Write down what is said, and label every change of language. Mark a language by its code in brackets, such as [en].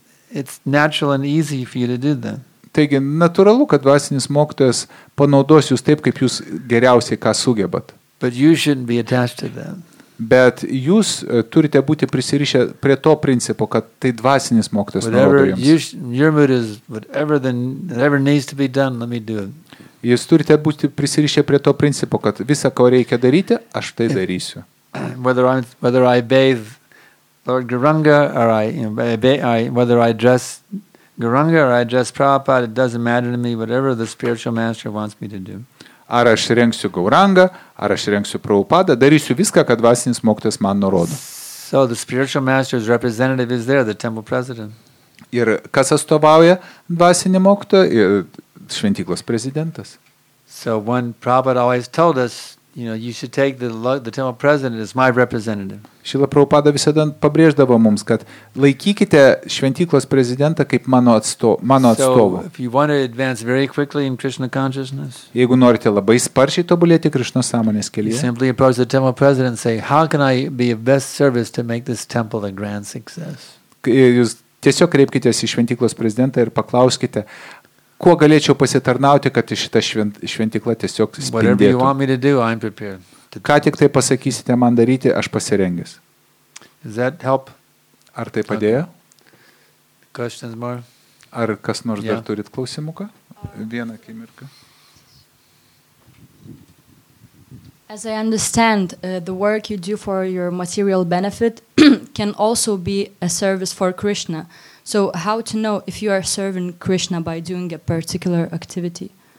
[en] It's natural and easy for you to do that. [lt] Taigi, natūralu, kad dvasinis mokytojas panaudos jūs taip, kaip jūs geriausiai ką sugebat. [en] But you shouldn't be attached to that. [lt] Bet jūs turite būti prisirišę prie to principo, kad tai dvasinis mokytojas naudo jums. Jūs turite būti prisirišę prie to principo, kad visą, ko reikia daryti, aš tai darysiu. [en] Whether I bathe Lord Garunga or whether I dress Garunga or I dress Prabhupada, it doesn't matter to me, whatever the spiritual master wants me to do. [lt] Ar aš rengsiu Gaurangą, ar aš rengsiu Prabhupada, darysiu viską, kad dvasinis mokytojas man nurodo. [en] So the spiritual master's representative is there, the temple president. [lt] Ir kas atstovauja dvasinį mokytoją? Šventyklos prezidentas. [en] So when Prabhupada always told us, you know, you should take the temple president as my representative. [lt] Šila Prabhupada visada pabrėždavo mums, kad laikykite šventyklos prezidentą kaip mano atstovą. [en] So if you want to advance very quickly in Krishna consciousness, [lt] jeigu norite labai sparčiai tobulėti Krishna sąmonės kelyje, [en] simply approach the temple president and say, how can I be of best service to make this temple a grand success? [lt] Jūs tiesiog kreipkitės į šventyklos prezidentą ir paklauskite, kuo galėčiau pasitarnauti, kad šita šventykla tiesiog spindėtų. Ką tik tai pasakysite man daryti, aš pasirengęs. Ar tai padėjo? Ar kas nors dar turit klausimų? Vieną akimirką. [en] As I understand, the work you do for your material benefit can also be a service for Krishna. So how to know if you are serving Krishna by doing a particular activity?